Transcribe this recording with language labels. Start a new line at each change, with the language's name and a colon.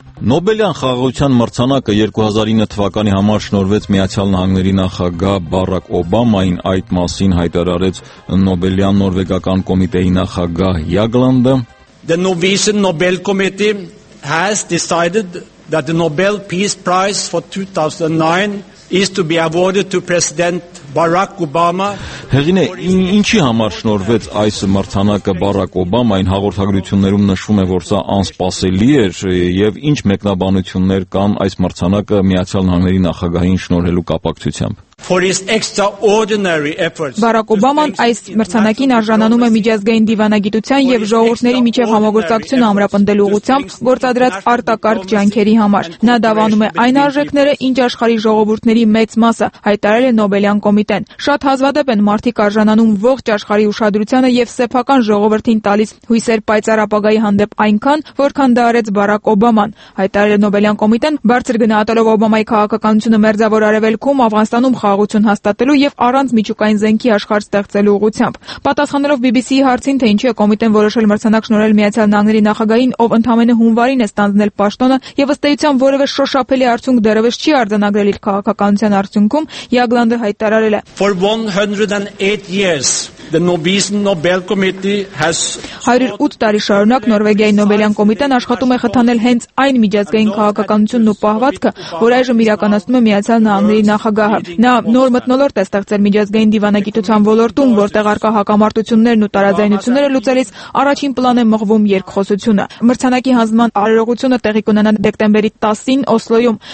Armenian: Նոբելյան խաղաղության մրցանակը 2009 թվականի համար շնորվեց Միացյալ Նահանգների նախագահ Բարակ Օբամային, այդ մասին հայտարարեց Նոբելյան Նորվեգական կոմիտեի նախագահ Յագլանդը։
English: The Norwegian Nobel Committee has decided that the Nobel Peace Prize for 2009 is to be awarded to President Barack Obama.
Armenian: Հեղինե, ինչի համար շնորվեց այս մրցանակը Բարակ Օբամային, հաղորդագրություններում նշվում է, որ սա անսպասելի էր, եւ ինչ մեկնաբանություններ կան այս մրցանակը Միացյալ Նահանգների նախագահին շնորհելու կապակցությամբ։
English: For his extraordinary efforts.
Armenian: Բարակ Օբաման այս մրցանակին արժանանում է միջազգային դիվանագիտության եւ ժողովրդների միջև համագործակցությունը ամրապնդելու ուղղությամբ գործադրած արտակարգ ջանքերի համար։ Նա դավանում է այն արժեքները, ինչ աշխարհի ժողովուրդների մեծ մասը, հայտարարել է Նոբելյան կոմիտեն։ Շատ հազվադեպ են մարդիկ արժանանում ողջ աշխարհի ուշադրությանը եւ սեփական ժողովրդին տալիս հույսեր պայծառ ապագայի հանդեպ այնքան, որքան դա արեց Բարակ Օբաման, հայտարարել է Նոբելյան կոմիտեն, բարձր գնահատելով Օբամայի քաղաքականությունը մերձավոր արևելքում, Աֆղանստանում խաղաղություն հաստատելու եւ առանց միջուկային զենքի աշխարհ ստեղծելու ուղղությամբ։ Պատասխանելով BBC-ի հարցին, թե ինչի է կոմիտեն որոշել մրցանակ շնորհել Միացյալ Նահանգների նախագահին, ով ընդհանրապես հունվարին է ստանձնել պաշտոնը եւ ըստ էության որևէ շոշափելի արդյունք դեռևս չի արձանագրել իր քաղաքականության արդյունքում, Յագլանդը հայտարարել է.
English: For 108 years The Nobel Committee has
Armenian: 108 տարի շարունակ Նորվեգիայի Նոբելյան կոմիտեն աշխատում է խթանել հենց այն միջազգային քաղաքականությունն ու պահվածքը, որ այժմ իրականացնում է Միացյալ Նահանգների նախագահը։ Նա նոր մտնոլորտ է ստեղծել միջազգային դիվանագիտության ոլորտում, որտեղ արկա հակամարտություններն ու տարաձայնությունները լուծելիս առաջին պլան է մղվում երկխոսությունը։ Մրցանակի հանձնման արարողությունը տեղի կունենա դեկտեմբերի 10-ին Օսլոյում։